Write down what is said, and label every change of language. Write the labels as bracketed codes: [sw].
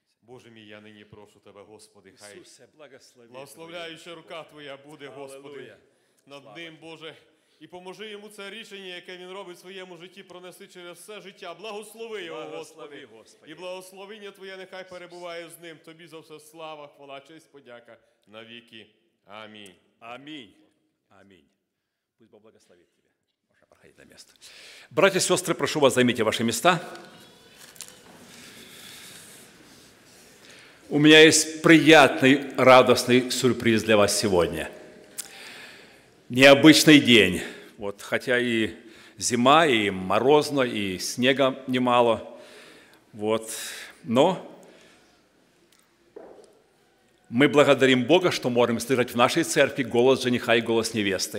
[uk] Боже мій, я нині прошу Тебе, Господи, хай Ісусе, благослови, благословляюча рука Твоя буде, Господи, над ним, Боже. І поможи йому це рішення, яке він робить в своєму житті, пронеси через все життя. Благослови його, Господи. І благословіння Твоє нехай перебуває з ним. Тобі за все слава, хвала, честь, подяка навіки. Амінь. Амінь. Амінь. [ru] Пусть Бог благословить Тебе. [uk] Можна проходити на місце. Браті, сестри, прошу вас, займіть ваші місця. [ru] У меня есть приятный, радостный сюрприз для вас сегодня. Необычный день. Вот, хотя и зима, и морозно, и снега немало. Вот, но мы благодарим Бога, что можем слышать в нашей церкви голос жениха и голос невесты.